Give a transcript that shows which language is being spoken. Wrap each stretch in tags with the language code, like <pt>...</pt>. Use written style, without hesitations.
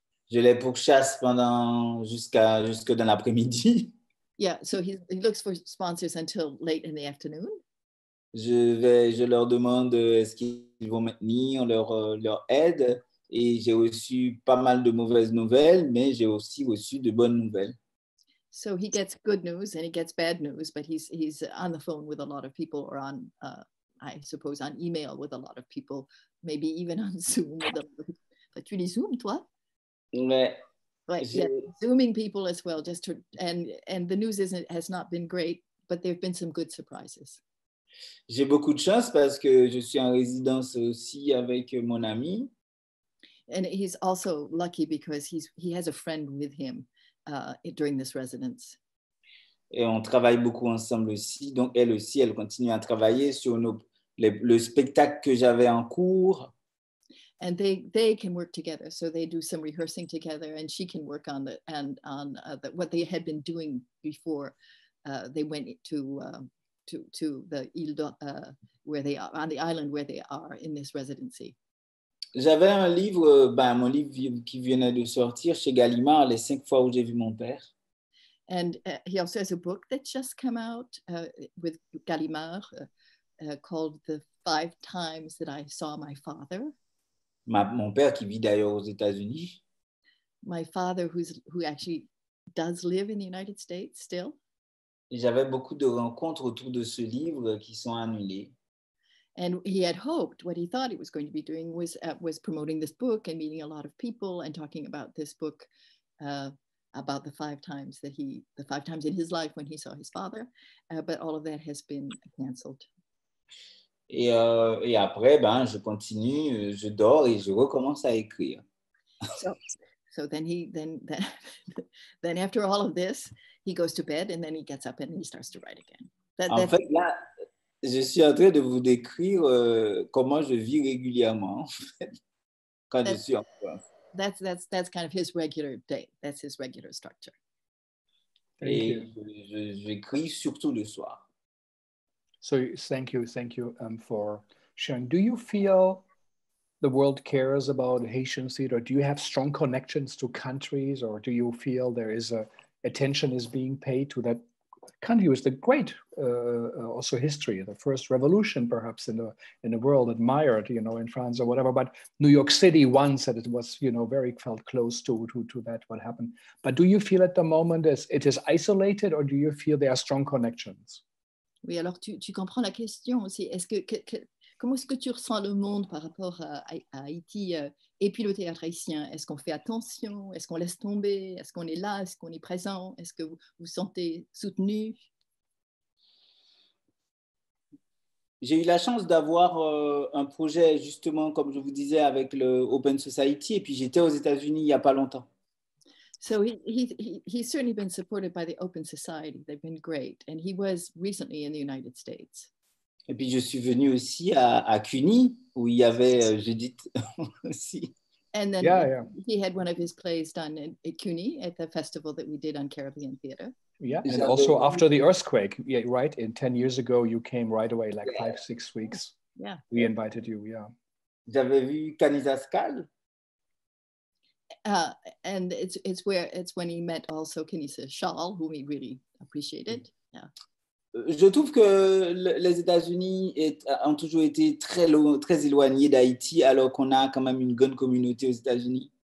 <fr>Je l'ai pour chasse pendant jusque dans l'après-midi.</fr> <en>Yeah, so he looks for sponsors until late in the afternoon.</en> <fr>Je leur demande est-ce qu'ils vont maintenir leur aide et j'ai reçu pas mal de mauvaises nouvelles, mais j'ai aussi reçu de bonnes nouvelles.</fr> <en>So he gets good news and he gets bad news, but he's on the phone with a lot of people or on, I suppose, on email with a lot of people, maybe even on Zoom.</en> <fr>But tu les zooms, toi? Ouais.</fr> <en>Zooming people as well, just to, and the news has not been great, but there have been some good surprises.</en> <fr>J'ai beaucoup de chance parce que je suis en résidence aussi avec mon ami.</fr> <en>And he's also lucky because he has a friend with him. During this residence.</en> <fr>Et on travaille beaucoup ensemble aussi, donc elle aussi, elle continue à travailler sur le spectacle que j'avais en cours.</fr> <en>And they can work together, so they do some rehearsing together, and she can work on what they had been doing before they went to the île where they are on the island where they are in this residency.</en> <fr>J'avais un livre, mon livre qui venait de sortir chez Gallimard, Les cinq fois où j'ai vu mon père.</fr> <en>And he also has a book that just came out with Gallimard called The Five Times That I Saw My Father.</en> <fr>Mon père qui vit d'ailleurs aux États-Unis.</fr> <en>My father who actually does live in the United States still.</en> <fr>Et j'avais beaucoup de rencontres autour de ce livre qui sont annulées.</fr> <en>And he had hoped what he thought he was going to be doing was promoting this book and meeting a lot of people and talking about this book about the five times in his life when he saw his father, but all of that has been canceled.</en> <fr>Et après, je continue, je dors et je recommence à écrire.</fr> <en>So then after all of this, he goes to bed and then he gets up and he starts to write again.</en> <fr>Je suis en train de vous décrire comment je vis régulièrement quand je suis en France.</fr> <en>That's kind of his regular day. That's his regular structure.</en> <fr>Et j'écris surtout le soir.</fr> <en>So thank you for sharing. Do you feel the world cares about Haitian theater? Do you have strong connections to countries, or do you feel there is attention is being paid to that? Country was the great also history, the first revolution perhaps in the world admired, you know, in France or whatever, but New York City once said it was, you know, very felt close to that what happened. But do you feel at the moment as it is isolated, or do you feel there are strong connections?</en> <fr>Oui, alors tu comprends la question aussi. Comment est-ce que tu ressens le monde par rapport à Haïti et puis le théâtre haïtien? Est-ce qu'on fait attention? Est-ce qu'on laisse tomber? Est-ce qu'on est là? Est-ce qu'on est présent? Est-ce que vous vous sentez soutenu? J'ai eu la chance d'avoir un projet, justement, comme je vous disais, avec le Open Society, et puis j'étais aux États-Unis il n'y a pas longtemps.</fr> <en>So he's certainly been supported by the Open Society. They've been great. And he was recently in the United States.</en> <fr>Et puis je suis venu aussi à CUNY où il y avait Judith aussi.</fr> <en>And then he had one of his plays done at CUNY at the festival that we did on Caribbean Theater. Yeah, and also after the earthquake, yeah, right? In 10 years ago, you came right away, like 5-6 weeks. Yeah. We invited you, yeah.</en> <fr>J'avais vu Kanizaskal.</fr> <en>And it's when he met also Kenisa Shaw, whom he really appreciated. Mm. Yeah.</en> <fr>Je trouve que les États-Unis ont toujours été très loin, très éloignés d'Haïti, alors qu'on a quand même une grande communauté aux États-Unis.</fr>